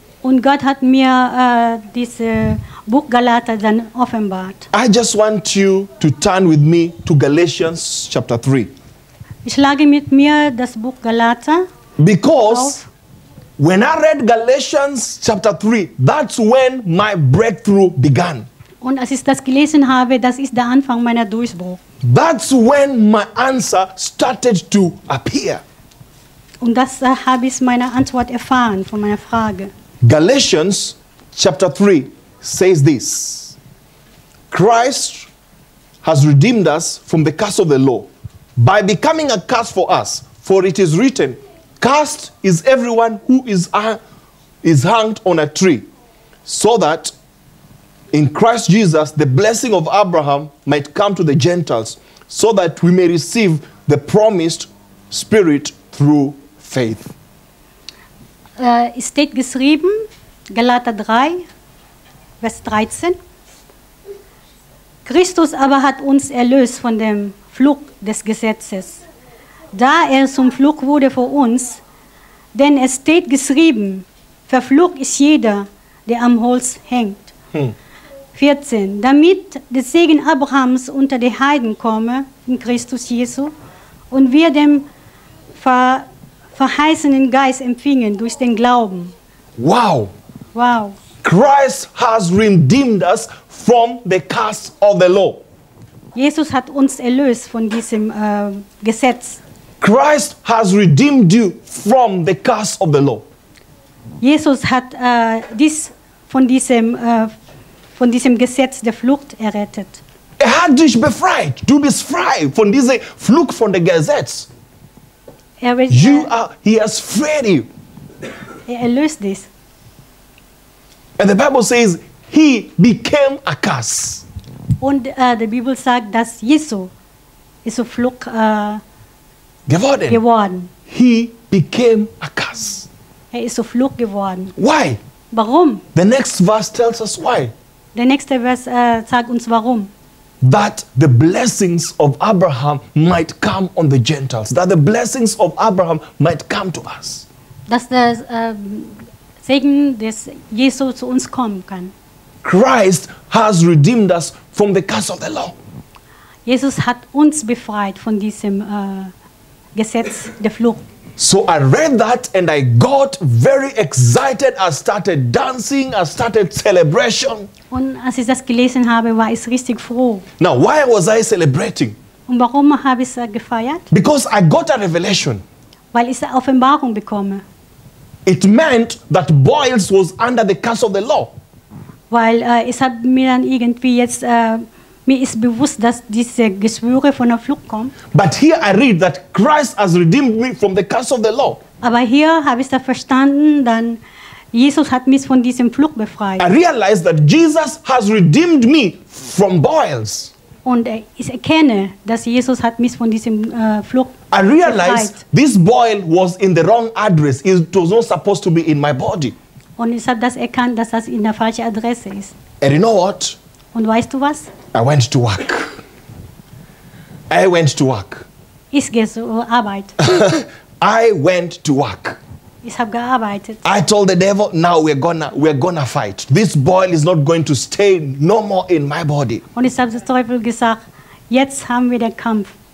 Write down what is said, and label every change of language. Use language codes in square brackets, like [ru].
[de] Und Gott hat mir dieses Buch Galater dann offenbart. [en] I just want you to turn with me to Galatians chapter 3. [de] Ich schlage mit mir das Buch Galater. [en] Because when I read Galatians chapter 3, that's when my breakthrough began. [de] Und als ich das gelesen habe, das ist der Anfang meiner Durchbruch. [en] That's when my answer started to appear. [de] Und das habe ich meine Antwort erfahren von meiner Frage. [en] Galatians chapter 3 says this. Christ has redeemed us from the curse of the law by becoming a curse for us. For it is written, cursed is everyone who is hanged on a tree. So that in Christ Jesus the blessing of Abraham might come to the Gentiles. So that we may receive the promised Spirit through faith. [de] Es steht geschrieben, Galater 3, Vers 13. Christus aber hat uns erlöst von dem Fluch des Gesetzes, da er zum Fluch wurde für uns. Denn es steht geschrieben, verflucht ist jeder, der am Holz hängt. 14. Damit der Segen Abrahams unter die Heiden komme, in Christus Jesus, und wir dem verheißenen Geist empfingen durch den Glauben. Wow. Wow. [en] Christ has redeemed us from the curse of the law. [de] Jesus hat uns erlöst von diesem Gesetz. [en] Christ has redeemed you from the curse of the law. [de] Jesus hat dies von diesem Gesetz der Flucht errettet. Er hat dich befreit. Du bist frei von dieser Flucht von der Gesetz. [en] He has freed you. [de] Er erlöst dich. [en] And the Bible says he became a curse. [de] Und die Bibel sagt, dass Jesus ist ein Fluch geworden. [en] He became a curse. [de] Er ist ein Fluch geworden. [en] Why? [de] Warum? [en] The next verse tells us why. [de] Der nächste Vers sagt uns warum. [en] That the blessings of Abraham might come on the Gentiles. That the blessings of Abraham might come to us. [de] Dass der Segen des Jesus zu uns kommen kann. [en] Christ has redeemed us from the curse of the law. [de] Jesus hat uns befreit von diesem Gesetz der Flucht. [en] So I read that and I got very excited. I started dancing, I started celebration. [de] Und als ich das gelesen habe, war ich richtig froh. [en] Now, why was I celebrating? [de] Und warum habe ich gefeiert? [en] Because I got a revelation. [de] Weil ich eine Offenbarung bekomme. [en] It meant that Boils was under the curse of the law. [de] Weil es hat mir dann irgendwie jetzt mir ist bewusst, dass diese Geschwüre von der Flucht kommen. [en] But here I read that Christ has redeemed me from the curse of the law. [de] Aber hier habe ich da verstanden, dann Jesus hat mich von diesem Fluch befreit. [en] I realize that Jesus has redeemed me from Boils. [de] Und ich erkenne, dass Jesus hat mich von diesem Fluch befreit. [en] I realized this boil was in the wrong address. It was not supposed to be in my body. [de] Und ich habe das erkannt, dass das in der falschen Adresse ist. [en] And you know what? [de] Und weißt du was? [en] I went to work. [de] Ich gehe zur Arbeit. [en] I went to work. [de] Ich habe gearbeitet. [en] I told the devil, now we're gonna fight. This boil is not going to stay no more in my body. [de] Und ich habe dem Teufel gesagt, jetzt haben wir den Kampf.